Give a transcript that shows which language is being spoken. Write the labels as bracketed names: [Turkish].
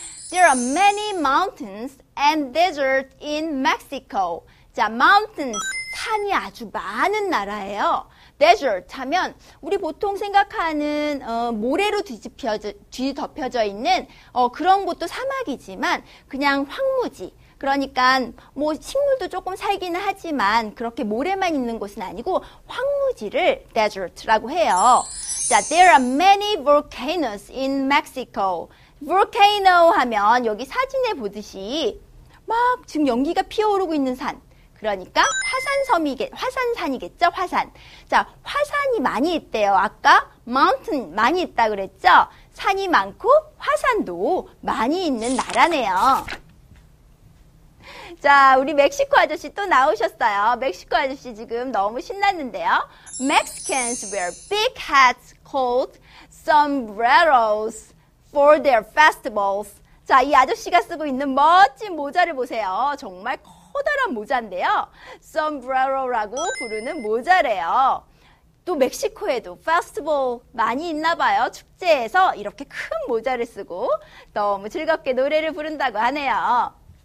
[English] There are many mountains and deserts in Mexico. [Korean] 자, mountains, 산이 아주 많은 나라예요. Desert 하면 우리 보통 생각하는 모래로 뒤덮여져 있는 그런 곳도 사막이지만 그냥 황무지. 그러니까 뭐 식물도 조금 살기는 하지만 그렇게 모래만 있는 곳은 아니고 황무지를 desert라고 해요. [English] 자, there are many volcanoes in Mexico. [Korean] Volcano 하면 여기 사진에 보듯이 막 지금 연기가 피어오르고 있는 산. 그러니까 화산산이겠죠? 화산. 자, 화산이 많이 있대요. 아까 mountain 많이 있다 그랬죠? 산이 많고 화산도 많이 있는 나라네요. 자, 우리 멕시코 아저씨 또 나오셨어요. 멕시코 아저씨 지금 너무 신났는데요. [English] Mexicans wear big hats called sombreros for their festivals. [Korean] 자, 이 아저씨가 쓰고 있는 멋진 모자를 보세요. 정말 커다란 모자인데요. Sombrero라고 부르는 모자래요. 또 멕시코에도 festival 많이 있나 봐요. 축제에서 이렇게 큰 모자를 쓰고 너무 즐겁게 노래를 부른다고 하네요.